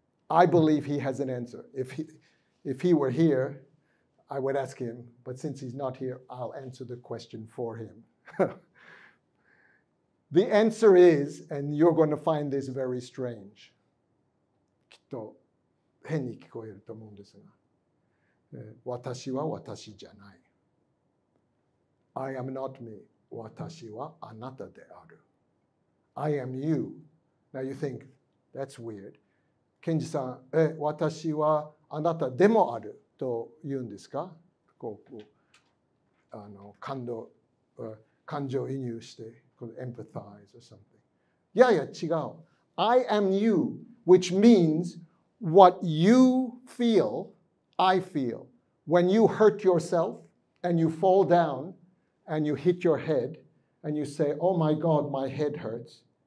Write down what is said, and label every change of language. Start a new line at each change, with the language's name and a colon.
English: I believe he has an answer. If he were here, I would ask him. But since he's not here, I'll answer the question for him. The answer is, and you're going to find this very strange.
Japanese: と変に聞こえると思うんですが、私は私じゃない。
English: I am not me.
Japanese: 私はあなたである。
English: I am you. Now you think, that's weird.
Japanese: ケンジさん、私はあなたでもあると言うんですか?こう、感動感情移入して、これ
English: empathize or something。
Japanese: いやいや違う。
English: I am you, which means what you feel, I feel. When you hurt yourself and you fall down and you hit your head and you say, oh my God, my head hurts.